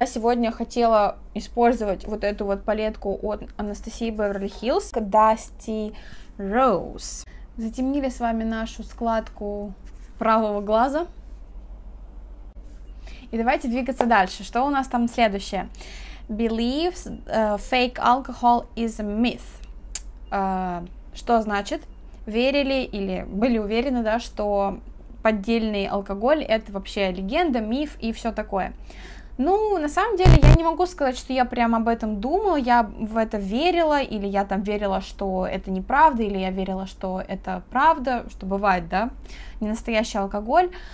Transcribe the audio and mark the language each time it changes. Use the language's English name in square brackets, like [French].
[Russian] Я сегодня хотела использовать вот эту вот палетку от Anastasia Beverly Hills, Dusty Rose. Затемнили с вами нашу складку правого глаза. И давайте двигаться дальше. Что у нас там следующее? [English] Believes fake alcohol is a myth. [Russian] Что значит? Верили или были уверены, да, что поддельный алкоголь — это вообще легенда, миф и все такое. Ну, на самом деле, я не могу сказать, что я прям об этом думала, я в это верила, или я там верила, что это неправда, или я верила, что это правда, что бывает, да, не настоящий алкоголь.